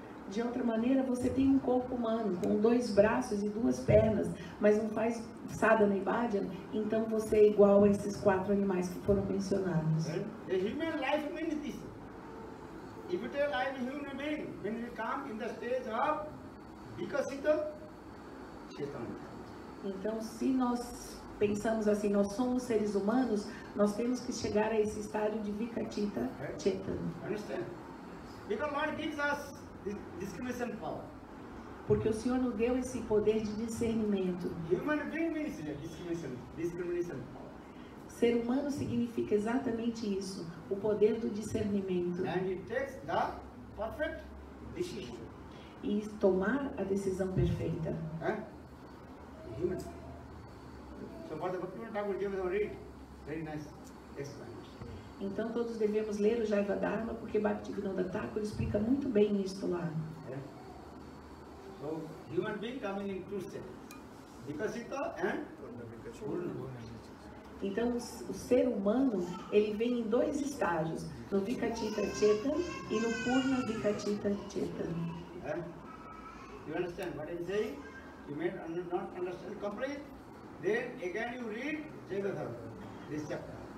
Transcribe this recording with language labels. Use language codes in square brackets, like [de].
[pt] De outra maneira, você tem um corpo humano com dois braços e duas pernas, mas não faz sadhana e bhajana, então você é igual a esses quatro animais que foram mencionados. [en] A human life means this. If it is alive human being, when it comes in the stage of vikasita chetana. [pt] Então, se nós pensamos assim, nós somos seres humanos, nós temos que chegar a esse estágio de vikasita chetana. [en] Understand? Because Lord gives us discrimination power. [pt] Porque o Senhor nos deu esse poder de discernimento. [en] Human being means discrimination power. [pt] Ser humano significa exatamente isso, o poder do discernimento. [en] And it takes the perfect decision. [pt] E tomar a decisão perfeita. [en] Human. So what the Bhaktivinoda Thakur gave us a read, very nice explanation. [pt] Então todos devemos ler o Jaiva Dharma, porque Bhaktivinoda Thakur explica muito bem isto lá. [en] So, human being coming in two states, vikasita and [pt] então o ser humano, ele vem em dois estágios, no vikasita chetan e no purna vikasita chetan. [en] You understand what I'm saying? You may not understand completely. Then again you read Jaiva Dharma, this chapter.